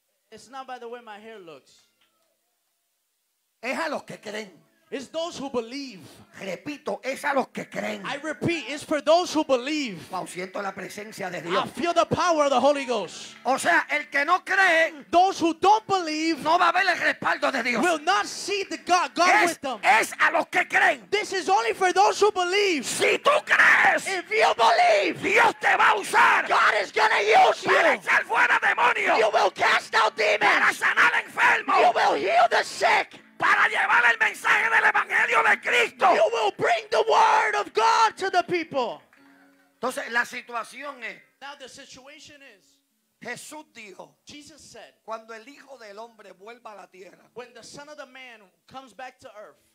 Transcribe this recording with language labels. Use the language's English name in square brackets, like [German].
[English] it's not by the way my hair looks. [Spanish] Es a los que creen. [English] It's those who believe. [Spanish] Repito, es a los que creen. [English] I repeat, it's for those who believe. [Spanish] Wow, siento la presencia de Dios. [English] I feel the power of the Holy Ghost. [Spanish] O sea, el que no cree, [English] those who don't believe, [Spanish] no va a ver el respaldo de Dios. [English] Will not see the God with them. [Spanish] Es a los que creen. [English] This is only for those who believe. [Spanish] Si tú crees, [English] if you believe, [Spanish] Dios te va a usar. [English] God is going to use you. [Spanish] Para echar fuera demonios. [English] You will cast out demons. [Spanish] Para sanar enfermos. [English] You will heal the sick. [Spanish] para llevar el mensaje del evangelio de Cristo. [English] You will bring the word of God to the people. [Spanish] Entonces la situación es. [English] Now the situation is. [Spanish] Jesús dijo. [English] Jesus said. [Spanish] Cuando el hijo del hombre vuelva a la tierra. [English] When the son of the man comes back to earth.